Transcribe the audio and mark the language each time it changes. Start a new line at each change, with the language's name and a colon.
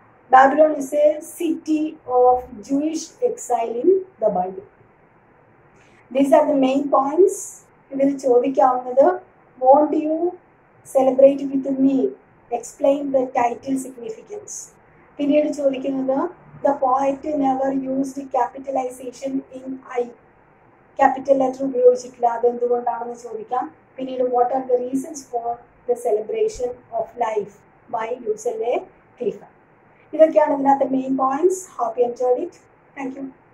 English: Babylon is a city of Jewish exile in the Bible. These are the main points.
Malayalam: ഇതിൽ ചോദിക്കാവുന്നത്
English: Won't you celebrate with me, explain the title significance.
Malayalam: പിന്നീട് ചോദിക്കുന്നത്
English: The poet never used capitalization in I. Capital letter
Malayalam: ഉപയോഗിച്ചിട്ടില്ല, അതെന്തുകൊണ്ടാണെന്ന് ചോദിക്കാം. പിന്നീട്
English: What are the reasons for the celebration of life by Lucille a Clifton.
Malayalam: ഇതൊക്കെയാണ് ഇതിനകത്ത് main points.
English: Happy enjoyed it. Thank you.